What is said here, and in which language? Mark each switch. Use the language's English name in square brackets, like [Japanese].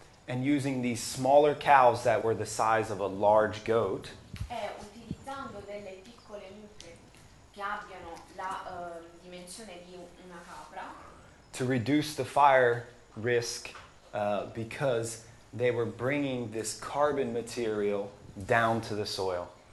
[English] And using these smaller cows that were the size of a large goat. [Italian] E utilizzando delle piccole mucche che abbiano la dimensione di una capra. [English] To reduce the fire risk because they were bringing this carbon material down to the soil.